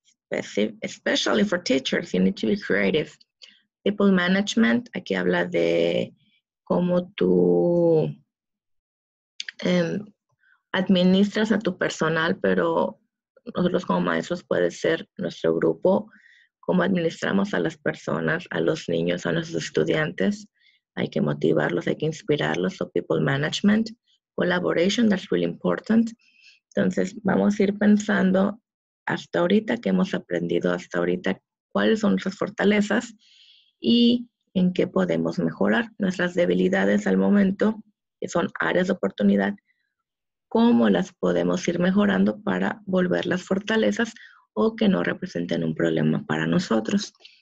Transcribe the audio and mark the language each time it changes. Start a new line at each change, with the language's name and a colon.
English: especially for teachers, you need to be creative, people management,
Spanish: aquí habla de cómo tú administras a tu personal, pero nosotros como maestros puede ser nuestro grupo, cómo administramos a las personas, a los niños, a nuestros estudiantes. Hay que motivarlos, hay que inspirarlos.
English: So people management, collaboration, that's really important.
Spanish: Entonces, vamos a ir pensando hasta ahorita qué hemos aprendido hasta ahorita, cuáles son nuestras fortalezas y en qué podemos mejorar. Nuestras debilidades al momento, que son áreas de oportunidad, cómo las podemos ir mejorando para volverlas fortalezas o que no representen un problema para nosotros.